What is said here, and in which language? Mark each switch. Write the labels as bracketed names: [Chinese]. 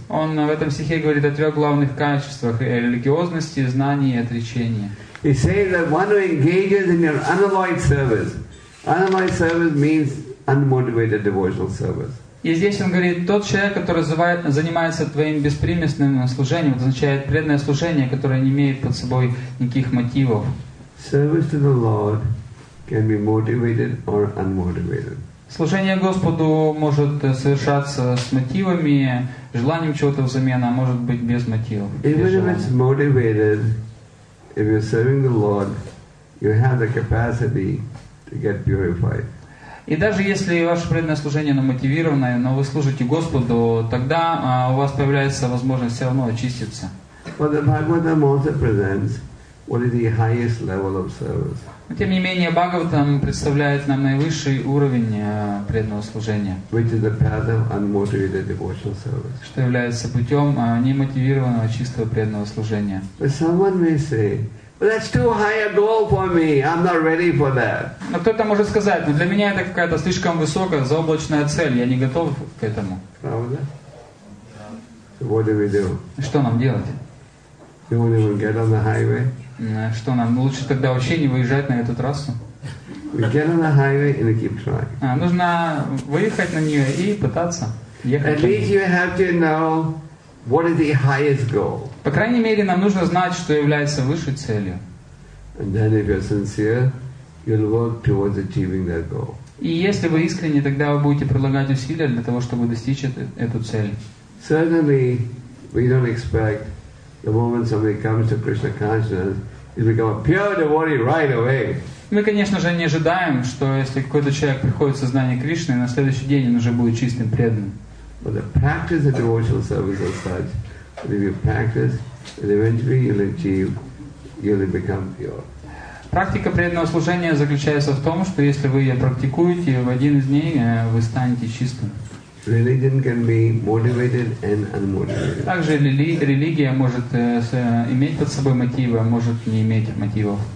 [Russian] Он в этом стихе говорит о трех главных качествах: религиозности, знаний и отречения. [English] He says that one who engages in your unalloyed service. Unalloyed service means unmotivated devotional service. [Russian] И здесь он говорит, тот человек, который занимается твоим беспримесным служением, означает преданное служение, которое не имеет под собой никаких мотивов. [English] Service to the Lord can be motivated or unmotivated. [Russian] Служение Господу может совершаться с мотивами, желанием чего-то взамен, а может быть без мотивов. [English] Even if it's motivated, if you're serving the Lord, you have the capacity to get purified. [Russian] И даже если ваше преданное служение намотивировано, но вы служите Господу, тогда у вас появляется возможность все равно очиститься. [English] But the Bhagavatam also presents what is the highest level of service. [Russian] Но тем не менее, Бхагаватам представляет нам наивысший уровень преданного служения. [English] Which is the path of unmotivated devotional service. [Russian] Что является путем немотивированного чистого преданного служения. [English] But someone may say, well, that's too high a goal for me. I'm not ready for that. [Russian] Но кто-то может сказать, но для меня это какая-то слишком высокая заоблачная цель. Я не готов к этому. Правда? [English] So what do we do? [Russian] Что нам делать? [English] You won't even get on the highway. [Russian] Что нам? Лучше тогда вообще не выезжать на эту трассу. [English] We get on the highway and keep trying. [Russian] Нужно выехать на нее и пытаться ехать. [English] At least you have to know what is the highest goal. [Russian] По крайней мере, нам нужно знать, что является высшей целью. [English] And then if you're sincere, you'll work towards achieving that goal. [Russian] И если вы искренне, тогда вы будете прилагать усилия для того, чтобы достичь эту цель. [English] Certainly, we don't expect the moment somebody comes to Krishna consciousness, he becomes a pure devotee right away. [Russian] Мы, конечно же, не ожидаем, что если какой-то человек приходит в сознание Кришны, на следующий день он уже будет чистым преданным. [English] But the practice of devotional service is such that if you practice, and eventually you'll achieve, you'll become pure. [Russian] Практика преданного служения заключается в том, что если вы ее практикуете, в один из дней вы станете чистым. [English] Religion can be motivated and unmotivated. [Russian] Также религия может иметь под собой мотивы, а может не иметь мотивов.